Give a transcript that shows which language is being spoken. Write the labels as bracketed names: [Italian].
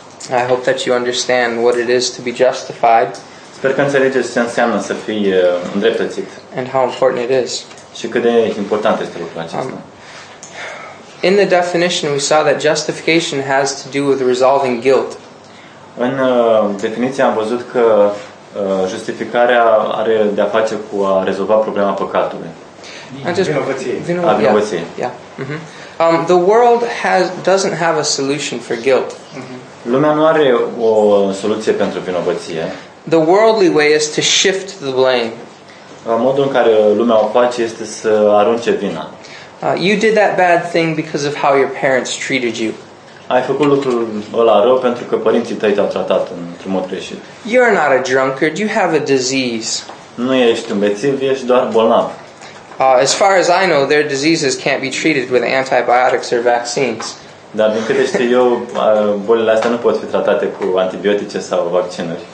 [English] I hope that you understand what it is to be justified. [Romanian] Sper că înțelegeți ce înseamnă să fii îndreptățit. [English] And how important it is. [Romanian] Și cât de important este lucrul acesta. [English] In the definition we saw that justification has to do with resolving guilt. [Romanian] În definiție am văzut că justificarea are de a face cu a rezolva problema păcatului. Vinovăție. [English] The world doesn't have a solution for guilt. [Romanian] Lumea nu are o soluție pentru vinovăție. [English] The worldly way is to shift the blame. [Romanian] Modul în care lumea o face este să arunce vina. [English] You did that bad thing because of how your parents treated you. [Romanian] Ai făcut lucrul ăla rău pentru că părinții tăi te-au tratat într-un mod greșit. [English] You're not a drunkard, you have a disease. [Romanian] Nu ești un bețiv, ești doar bolnav. [English] As far as I know, their diseases can't be treated with antibiotics or vaccines. [Romanian] Dar din câte știu eu, bolile astea nu pot fi tratate cu antibiotice sau vaccinuri.